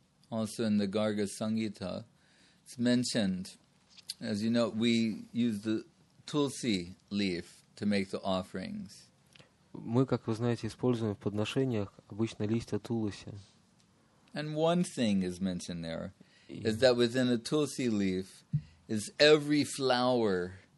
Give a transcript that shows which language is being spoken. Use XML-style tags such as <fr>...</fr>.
<en>Also in the Garga Sangita, it's mentioned, as you know, we use the tulsi leaf to make the offerings.</en> <ru>Мы, как вы знаете, используем в подношениях обычно листья тулоси.</ru> <en>And one thing is mentioned there, is that within a tulsi leaf is every flower</en>